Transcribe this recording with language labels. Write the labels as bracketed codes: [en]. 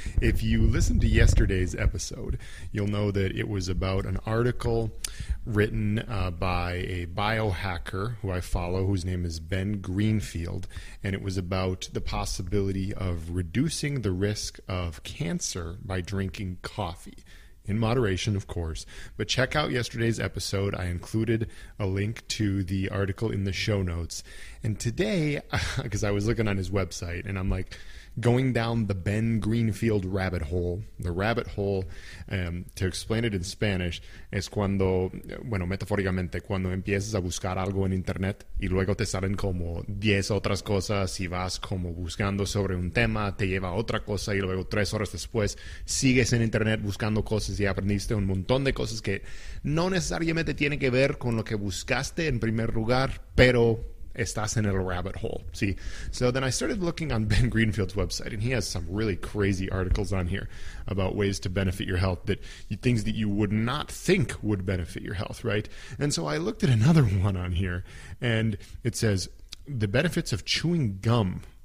[en] If you listened to yesterday's episode, you'll know that it was about an article written by a biohacker who I follow, whose name is Ben Greenfield, and it was about the possibility of reducing the risk of cancer by drinking coffee. In moderation, of course. But check out yesterday's episode. I included a link to the article in the show notes. And today, because I was looking on his website, and I'm like going down the Ben Greenfield rabbit hole. The rabbit hole, to explain it in Spanish, [es] es cuando, bueno, metafóricamente, cuando empiezas a buscar algo en internet y luego te salen como 10 otras cosas y vas como buscando sobre un tema, te lleva a otra cosa y luego 3 horas después sigues en internet buscando cosas y aprendiste un montón de cosas que no necesariamente tienen que ver con lo que buscaste en primer lugar, pero estás en el rabbit hole. [en] See? So then I started looking on Ben Greenfield's website, and he has some really crazy articles on here about ways to benefit your health, that things that you would not think would benefit your health, right? And so I looked at another one on here, and it says, the benefits of chewing gum.